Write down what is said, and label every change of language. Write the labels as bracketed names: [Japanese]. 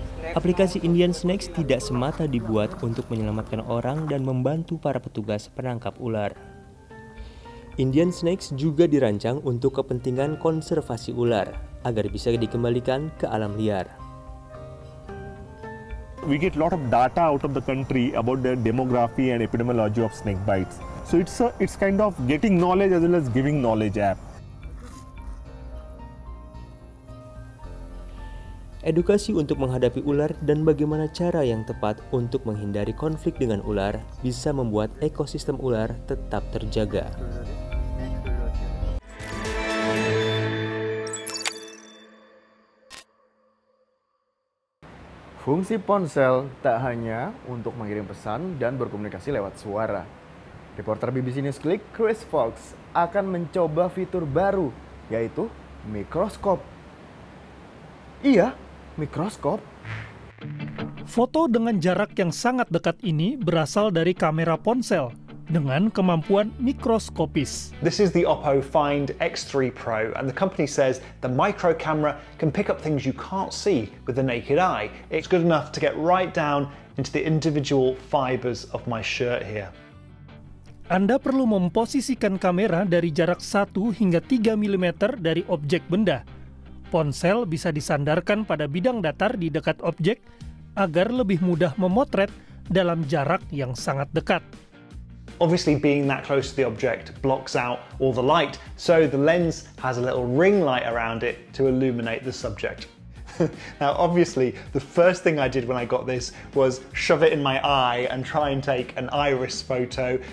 [Indonesian] Aplikasi Indian Snakes tidak semata dibuat untuk menyelamatkan orang dan membantu para petugas penangkap ular. Indian Snakes juga dirancang untuk kepentingan konservasi ular agar bisa dikembalikan ke alam liar. [English] We get lot of data out of the country about the demography and epidemiology of snake bites. So it's kind of getting knowledge as well as giving knowledge app. [Indonesian] Edukasi untuk menghadapi ular dan bagaimana cara yang tepat untuk menghindari konflik dengan ular bisa membuat ekosistem ular tetap terjaga. Fungsi ponsel tak hanya untuk mengirim pesan dan berkomunikasi lewat suara. Reporter BBC News Click, Chris Fox, akan mencoba fitur baru, yaitu mikroskop. Iya, mikroskop. Foto dengan jarak yang sangat dekat ini berasal dari kamera ponsel dengan kemampuan mikroskopis. [English] This is the Oppo Find X3 Pro, and the company says the micro camera can pick up things you can't see with the naked eye. It's good enough to get right down into the individual fibers of my shirt here. [Indonesian] Anda perlu memposisikan kamera dari jarak 1 hingga 3 mm dari objek benda. Ponsel bisa disandarkan pada bidang datar di dekat objek agar lebih mudah memotret dalam jarak yang sangat dekat. [English] Obviously, being that close to the object blocks out all the light, so the lens has a little ring light around it to illuminate the subject. Now, obviously, the first thing I did when I got this was shove it in my eye and try and take an iris photo.